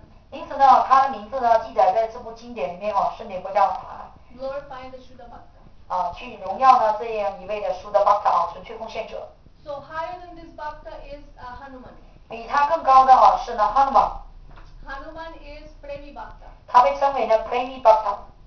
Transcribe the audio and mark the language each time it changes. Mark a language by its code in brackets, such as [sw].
[zh] 因此呢，他的名字呢，记载在这部经典里面哦，是哪部叫法？ [en] Glorify the Shuddha Bhakta. [zh] 啊，去荣耀呢这样一位的 Shuddha Bhakta 啊，纯粹奉献者。 [en] So higher than this Bhakta is a Hanuman. [zh] 比他更高的哦，是呢 Hanuman. [en] Hanuman is Premi Bhakta. [zh] 他被称为呢 Premi Bhakta.